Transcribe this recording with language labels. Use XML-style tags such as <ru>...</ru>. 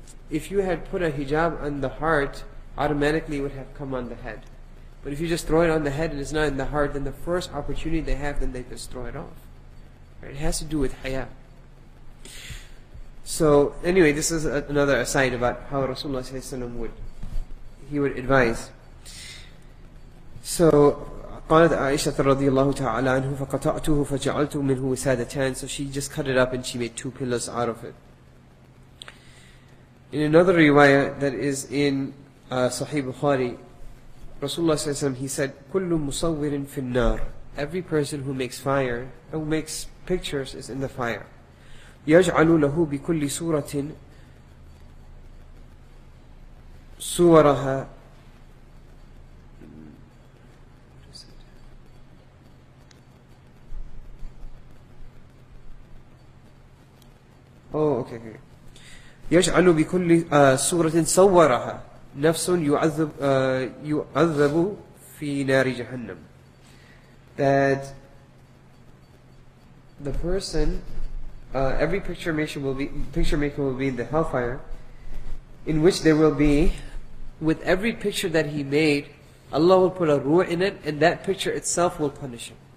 <en>if you had put a hijab on the heart, automatically it would have come on the head. But if you just throw it on the head and it's not in the heart, then the first opportunity they have, then they just throw it off. Right? It has to do with haya. So anyway, this is another aside about how Rasulullah ﷺ would advise.</en> <ar>So قالت عائشة رضي الله تعالى عنه فقطعته فجعلت منه وسادتان.</ar> <en>So she just cut it up and she made two pillows out of it. In another riwayah that is in Sahih Bukhari, Rasulullah says, he said,</en> <ar>كل مصور في النار.</ar> <en>Every person who makes fire, who makes pictures, is in the fire.</en> <ar>يجعل له بكل سورة صورها.</ar> <en>Oh, okay.</en> <ar>يجعل بكل سورة صورها نفس يعذب في نار جهنم.</ar> <en>That the person, every picture maker will be in the hellfire, in which there will be, with every picture that he made, Allah will put a ruh in it, and that picture itself will punish him.</en>